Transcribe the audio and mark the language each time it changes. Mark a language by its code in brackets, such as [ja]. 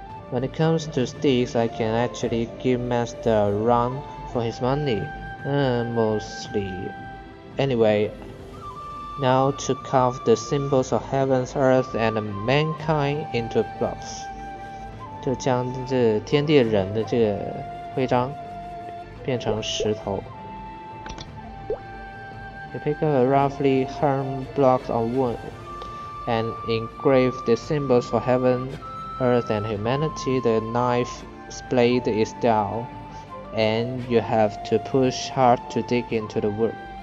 [en] When it comes to sticks, I can actually give Master a run for his money, mostly. Anyway, now to carve the symbols of heaven's earth and mankind into blocks. [zh] 就将这天地人的这个徽章变成石头。 [en] You pick up a roughly hewn block of wood and engrave the symbols for heaven, earth and humanity. The knife's blade is dull and you have to push hard to dig into the wood.